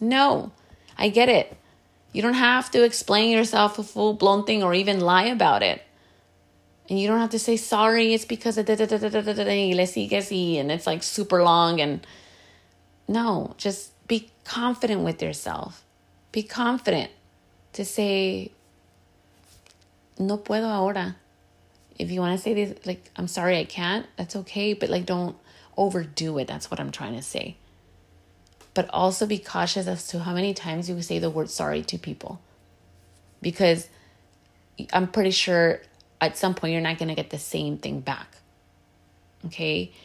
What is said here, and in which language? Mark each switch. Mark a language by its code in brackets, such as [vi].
[en] No, I get it. You don't have to explain yourself a full blown thing or even lie about it. And you don't have to say sorry, it's because of da da da da da da da, [es] le sigues y, [en] and it's like super long. And no, just be confident with yourself. Be confident to say, [es] no puedo ahora. [en] If you want to say this, like, I'm sorry, I can't, that's okay. But like, don't overdo it. That's what I'm trying to say. But also be cautious as to how many times you say the word sorry to people. Because I'm pretty sure at some point you're not going to get the same thing back. Okay?